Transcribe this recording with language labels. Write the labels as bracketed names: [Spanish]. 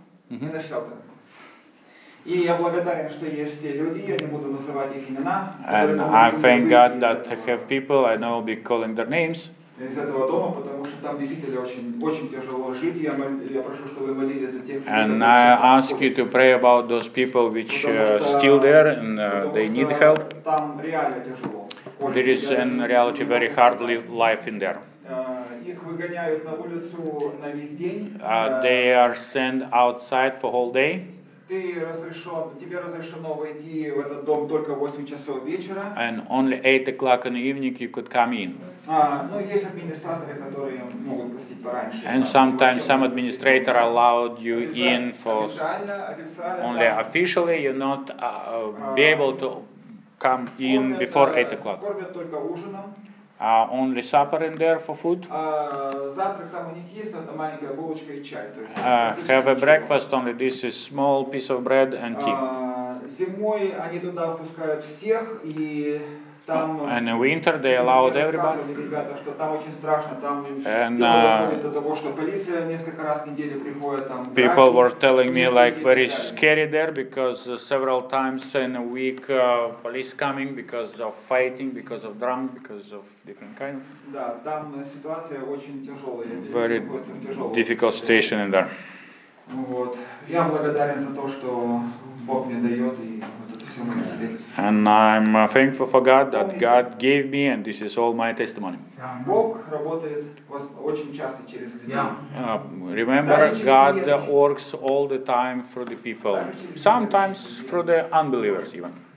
[Russian] И я благодарен, что есть те люди, я не буду называть их имена. [English] And I thank God that I have people, I know will be calling their names. [Russian] Из этого дома, потому что там действительно очень, очень тяжело жить. Я прошу, чтобы вы молились за тех, [English] And I ask you to pray about those people which still there and they need help. [Russian] Там реально тяжело. [English] There is in reality very hard life in there. [Russian] Их выгоняют на улицу на весь день. [English] They are sent outside for whole day. [Russian] Тебе разрешено войти в этот дом только в 8 часов вечера. [English] And only 8 o'clock in the evening you could come in. [Russian] Ну есть администраторы, которые могут пустить пораньше. [English] And sometimes some administrator allowed you in for only officially you not be able to come in before 8 o'clock. [Russian] Кормят только ужином. [English] Only supper in there for food. [Russian] Завтрак там у них есть, это маленькая булочка и чай. [English] Have a breakfast only. This is small piece of bread and tea. [Russian] Зимой они туда впускают всех и там. [English] And in winter they allowed everybody. [Russian] Ребята, что там очень страшно, там. [English] And [Russian] до того, что полиция несколько раз в неделю приходит там. [English] People were telling me like very scary there because several times in a week police coming because of fighting, because of drum, because of different kind. [Russian] Да, там ситуация очень тяжелая. [English] Very difficult situation in there. [Russian] Вот, я благодарен за то, что Бог мне дает и. [English] And I'm thankful for God that God gave me, and this is all my testimony. Remember, God works all the time through the people, sometimes through the unbelievers even.